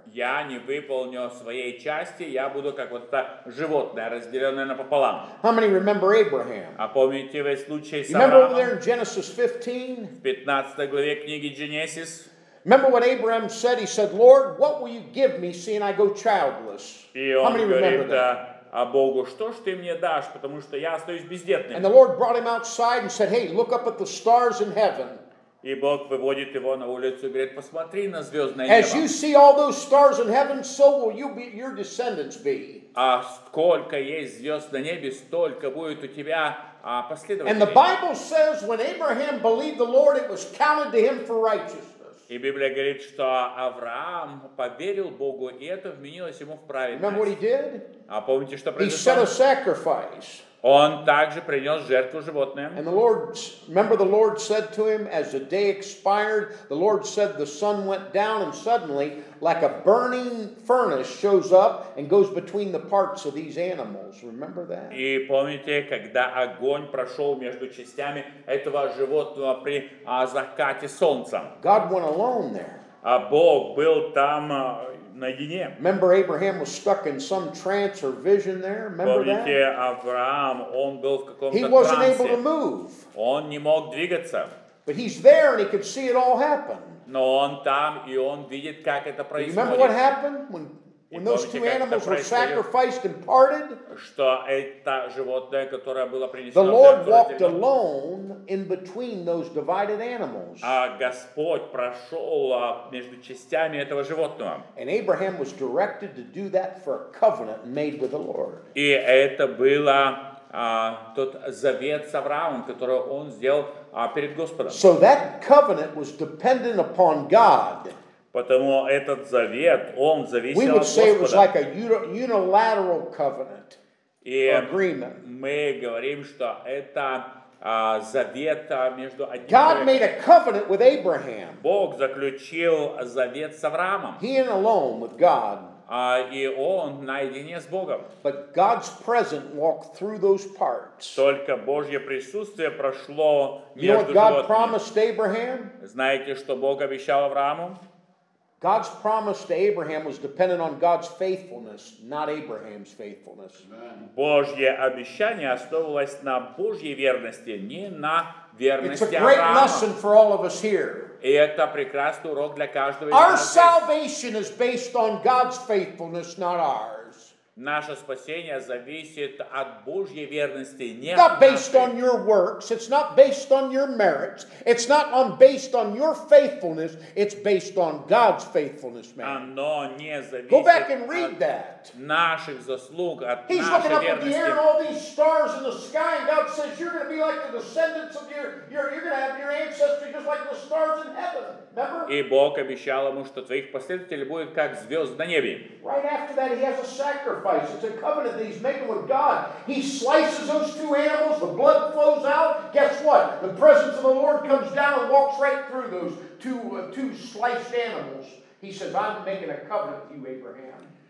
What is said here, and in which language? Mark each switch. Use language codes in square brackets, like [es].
[ru] Я не выполню своей части, я буду как вот это животное, разделенное напополам. [en] How many remember Abraham? [ru] А помните вы случай с Авраамом? [en] Remember over there in Genesis 15? [ru] В 15 главе книги Genesis. [en] Remember what Abraham said? He said, "Lord, what will you give me, seeing I go childless?" How many remember that? [ru] А Богу, что ж ты мне дашь, потому что я остаюсь бездетным? [en] And the Lord brought him outside and said, "Hey, look up at the stars in heaven." [ru] И Бог выводит его на улицу и говорит, посмотри на звездное небо. [en] As you see all those stars in heaven, so will you be, your descendants be. [ru] А сколько есть звезд на небе, столько будет у тебя последователей. [en] And the Bible says, when Abraham believed the Lord, it was counted to him for righteousness. [ru] И Библия говорит, что Авраам поверил Богу, и это вменилось ему в праведность. [en] Remember what he did? [ru] А помните, что произошло? [en] He set a sacrifice. [ru] Он также принес жертву животное. [en] And the Lord, remember the Lord said to him, as the day expired, the Lord said the sun went down, and suddenly, like a burning furnace shows up and goes between the parts of these animals. Remember that? [ru] И помните, когда огонь прошел между частями этого животного при закате солнца? [en] God went alone there. [ru] А Бог был там наедине. [en] Remember Abraham was stuck in some trance or vision there? Remember [ru] помните, [en] that? [ru] Авраам, он был в каком-то [en] He wasn't [ru] трансе. [en] Able to move. [ru] Он не мог двигаться. [en] But he's there and he could see it all happen. [ru] Но он там, и он видит, как это происходит. [en] Remember what happened when those two animals were sacrificed and parted? [ru] Что это животное, которое было принесено. [en] The Lord walked alone in between those divided animals. [ru] А Господь прошел между частями этого животного. [en] And Abraham was directed to do that for a covenant made with the Lord. [ru] И это было тот завет с Авраамом, который он сделал перед Господом. [en] So that covenant was dependent upon God. [ru] Потому этот завет, он зависел от Господа. [en] It was like a unilateral covenant, agreement. [ru] Мы говорим, что это завет между одним. [en] God made a covenant with Abraham. [ru] Бог заключил завет с Авраамом. [en] He and alone with God. [ru] И он наедине с Богом. [en] But God's presence walked through those parts. [ru] Только Божье присутствие прошло [en] you [ru] между животными. [en] You know what God promised Abraham? [ru] Знаете, что Бог обещал Аврааму? [en] God's promise to Abraham was dependent on God's faithfulness, not Abraham's faithfulness. [ru] Божье обещание основывалось на Божьей верности, не на верности Авраама. [en] It's a great lesson for all of us here. [ru] И это прекрасный урок для каждого из нас. [en] Our salvation is based on God's faithfulness, not ours. [ru] Наше спасение зависит от Божьей верности, не от нас. [en] Not based on your works, it's not based on your merits, it's not on based on your faithfulness, it's based on God's faithfulness, man. [ru] Оно не зависит. [en] Go back and read that. [ru] Наших заслуг, от нашей верности. [en] He's looking up at the air and all these stars in the sky, and God says, "You're going to be like the descendants of you're going to have your ancestry just like the stars in heaven." [ru] И Бог обещал ему, что твоих последователей будет как звезд на небе. [en] Right after that, he has a sacrifice. It's a covenant that he's making with God. He slices those two animals. The blood flows out. Guess what? The presence of the Lord comes down and walks right through those two sliced animals. He says, "I'm making a covenant with you, Abraham."